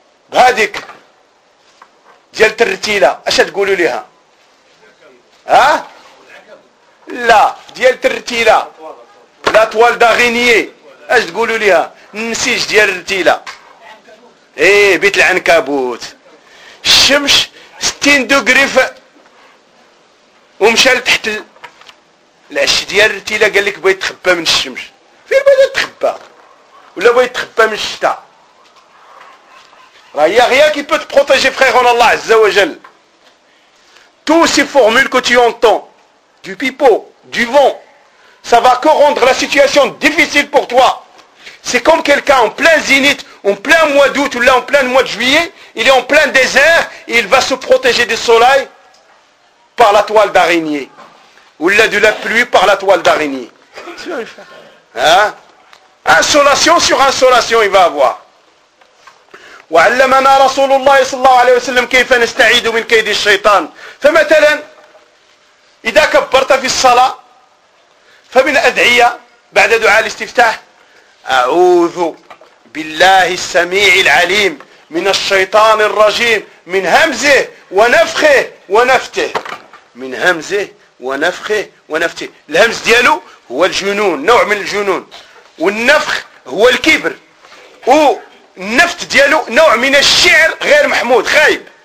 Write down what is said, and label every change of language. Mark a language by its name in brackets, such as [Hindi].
[Arabic] بهذيك ديال ترتيلة اش تقولوا ليها ها لا ديال ترتيلة لا طوال داغينيي اش تقولوا ليها النسيج ديال الرتيلة ايه بيت العنكبوت الشمس 60 دوغري ومشى لتحت العش ديال الرتيلة قال لك بغيت تخبى من الشمس فين بغيت تخبى ولا بغيت تخبى من الشتاء [French] Il n'y a rien qui peut te protéger, frère en Allah, Azza wa Jal. Toutes ces formules que tu entends, du pipeau, du vent, ça va que rendre la situation difficile pour toi. C'est comme quelqu'un en plein zénith, en plein mois d'août, ou là en plein mois de juillet, il est en plein désert, et il va se protéger du soleil par la toile d'araignée. Ou là de la pluie par la toile d'araignée. Hein? Insolation sur insolation, il va avoir. [Arabic] وعلمنا رسول الله صلى الله عليه وسلم كيف نستعيد من كيد الشيطان فمثلا اذا كبرت في الصلاه فمن ادعيه بعد دعاء الاستفتاح اعوذ بالله السميع العليم من الشيطان الرجيم من همزه ونفخه ونفته من همزه ونفخه ونفته الهمز ديالو هو الجنون نوع من الجنون والنفخ هو الكبر و النفت ديالو نوع من الشعر غير محمود خايب